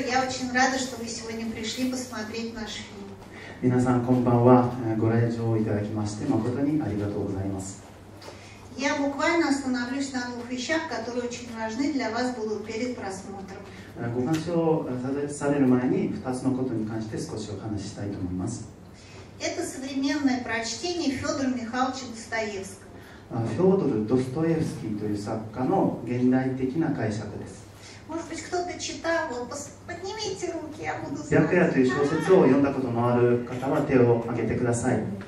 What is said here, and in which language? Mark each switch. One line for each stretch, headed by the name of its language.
Russian: Я очень рада, что вы сегодня пришли посмотреть наш фильм.
Japanese: 皆さんこんばんは。ご来場いただきまして誠にありがとうございます。
Russian: Я буквально остановлюсь на двух вещах, которые очень важны для вас будут перед просмотром.
Japanese: ご鑑賞される前に2つのことに関して少しお話ししたいと思います。
Russian: Это современное прочтение Фёдора Михайловича Достоевского.
Japanese: フョードル・ドストエフスキーという作家の現代的な解釈です。白夜という小説を読んだことのある方は手を挙げてください。